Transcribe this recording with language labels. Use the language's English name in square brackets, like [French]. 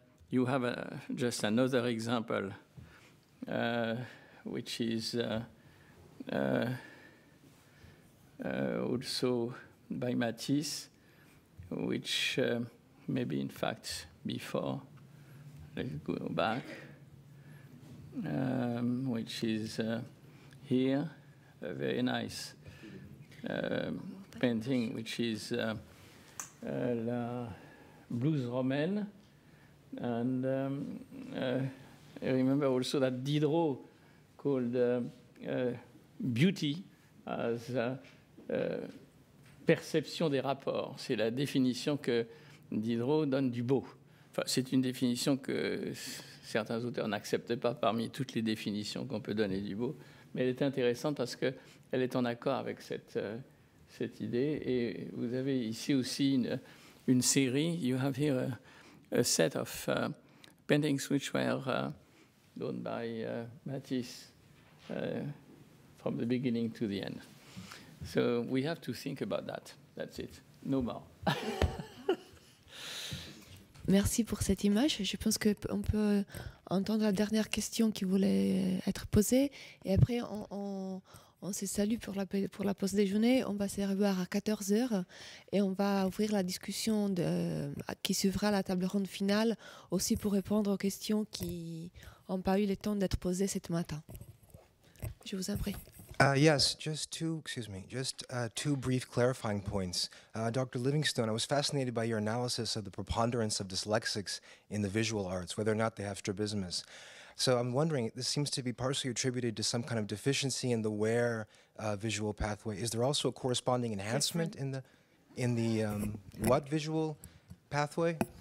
[English] You have just another example, which is also by Matisse, which maybe in fact before, let's go back, which is here, a very nice painting, which is La Blouse Romaine. And I remember also that Diderot called beauty as [French] perception des rapports. C'est la définition que Diderot donne du beau. Enfin, c'est une définition que certains auteurs n'acceptent pas parmi toutes les définitions qu'on peut donner du beau. Mais elle est intéressante parce qu'elle est en accord avec cette idée. Et vous avez ici aussi une série. [English] You have here a set of paintings which were done by Matisse from the beginning to the end. So we have to think about that. That's it. No more. [French] Merci pour cette image. Je pense qu'on peut entendre la dernière question qui voulait être posée. Et après, on se salue pour la pause déjeuner. On va se revoir à 14h et on va ouvrir la discussion qui suivra la table ronde finale, aussi pour répondre aux questions qui n'ont pas eu le temps d'être posées ce matin. Je vous en prie. [English] Yes, just two brief clarifying points. Dr. Livingstone, I was fascinated by your analysis of the preponderance of dyslexics in the visual arts, whether or not they have strabismus. So I'm wondering, this seems to be partially attributed to some kind of deficiency in the wear visual pathway. Is there also a corresponding enhancement in the what visual pathway?